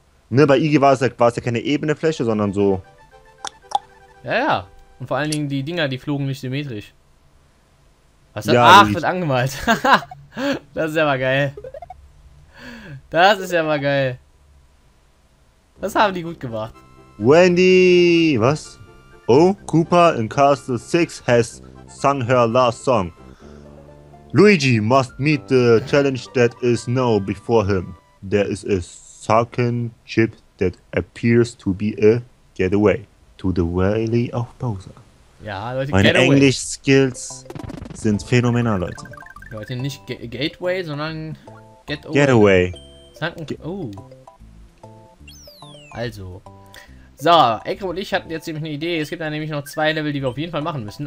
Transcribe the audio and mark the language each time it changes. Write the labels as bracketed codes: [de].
[de] Ne, bei Iggy war es ja keine ebene Fläche, sondern so. Ja. Und vor allen Dingen die Dinger, die flogen nicht symmetrisch. Was hat. Ja, ach, wird angemalt. Das ist ja mal geil. Das ist ja mal geil. Das haben die gut gemacht. Wendy! Was? [en] Oh, Cooper in Castle 6 has sung her last song. Luigi must meet the challenge that is now before him. There is a sunken chip that appears to be a getaway to the Valley of Bowser. [de] Ja, Leute, meine Englisch-Skills sind phänomenal, Leute. Leute, nicht Gateway, sondern [en] Getaway. [de] Also. So, Ekrem und ich hatten jetzt nämlich eine Idee. Es gibt da nämlich noch zwei Level, die wir auf jeden Fall machen müssen.